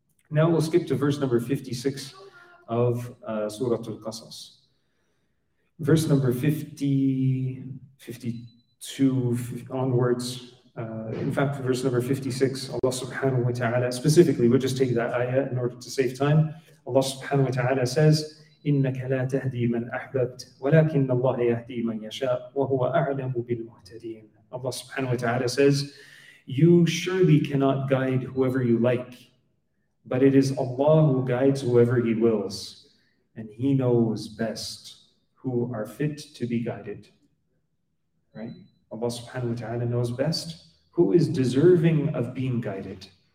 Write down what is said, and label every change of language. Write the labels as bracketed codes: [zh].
[en] Now we'll skip to verse number 56. Of Surah Al-Qasas. Verse number 52 onwards. In fact, verse number 56, Allah subhanahu wa ta'ala, specifically, we'll just take that ayah in order to save time. Allah subhanahu wa ta'ala says, [ar] إِنَّكَ لَا تَهْدِي مَنْ أَحْبَبْتْ وَلَكِنَّ اللَّهَ يَهْدِي مَنْ يَشَاءُ وَهُوَ أَعْلَمُ بِالْمُهْتَدِينَ. [en] Allah subhanahu wa ta'ala says, you surely cannot guide whoever you like, but it is Allah who guides whoever He wills, and He knows best who are fit to be guided. Right? Allah subhanahu wa ta'ala knows best who is deserving of being guided.